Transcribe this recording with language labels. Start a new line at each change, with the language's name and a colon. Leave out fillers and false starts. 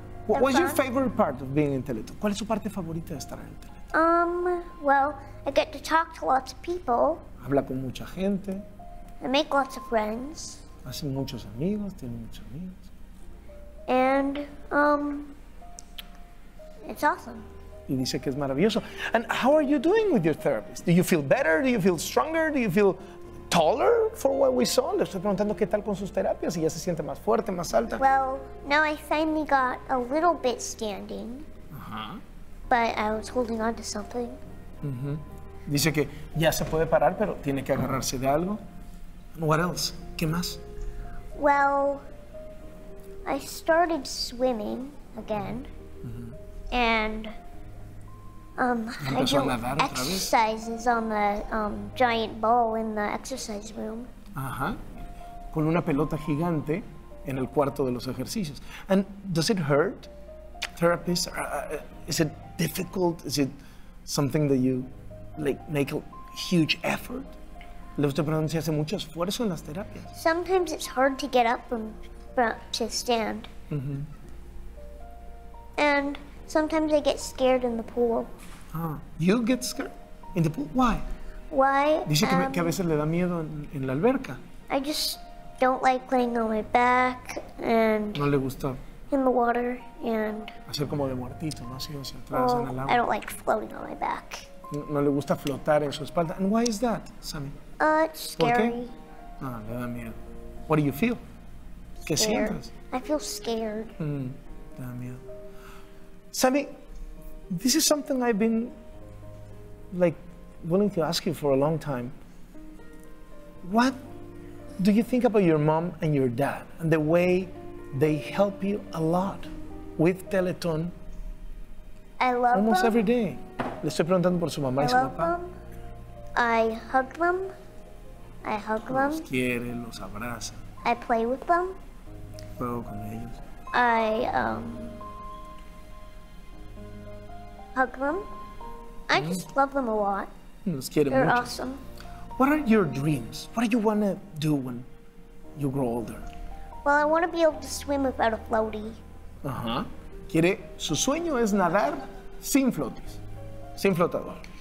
English: What was your favorite part of being in Teletón?
Spanish: ¿Cuál es su parte favorita de estar en Teletón?
English: Well, I get to talk to lots of people.
Spanish: Habla con mucha gente.
English: I make lots of friends.
Spanish: Hace muchos amigos, tiene muchos amigos.
English: And, it's awesome.
Spanish: y dice que es maravilloso.
English: And how are you doing with your therapist? Do you feel better? Do you feel stronger? Do you feel taller for what we saw?
Spanish: Le estoy preguntando qué tal con sus terapias, si ya se siente más fuerte, más alta.
English: Well, now I finally got a little bit standing. But I was holding on to something.
Spanish: Dice que ya se puede parar, pero tiene que agarrarse de algo.
English: What else?
Spanish: ¿Qué más?
English: Well, I started swimming again. And
Spanish: empezó a nadar otra vez.
English: Exercises on the giant ball in the exercise room.
Spanish: Ajá. Con una pelota gigante en el cuarto de los ejercicios.
English: And does it hurt? Therapist, is it difficult? Is it something that you like make a huge effort?
Spanish: ¿Le usted pregunta si hace mucho esfuerzo en las terapias?
English: Sometimes it's hard to get up from to stand. And sometimes I get scared in the pool. You get scared in the pool? Why? Why?
Spanish: Dice que, que a veces le da miedo en la alberca.
English: I just don't like laying on my back and.
Spanish: No le gusta.
English: In the water and.
Spanish: Hacer como de muertito, ¿no? Así hacia atrás en el agua.
English: I don't like floating on my back.
Spanish: No le gusta flotar en su espalda.
English: And why is that, Sammy? It's scary.
Spanish: Le da miedo.
English: What do you feel?
Spanish: ¿Qué sientes?
English: I feel scared.
Spanish: Le da miedo.
English: Sammy, this is something I've been like willing to ask you for a long time. What do you think about your mom and your dad and the way they help you a lot with Teletón? I love them. Almost every day.
Spanish: Le estoy preguntando por su mamá y su papá.
English: I love them. I hug them. I hug them.
Spanish: Los quiere, los abraza.
English: I play with them.
Spanish: Juego con ellos.
English: I hug them. I just love them a lot.
Spanish: Los quiere
English: They're
Spanish: mucho.
English: Awesome. What are your dreams? What do you want to do when you grow older? Well, I want to be able to swim without a floaty.
Spanish: Quiere, su sueño es nadar sin flotis, sin flotador.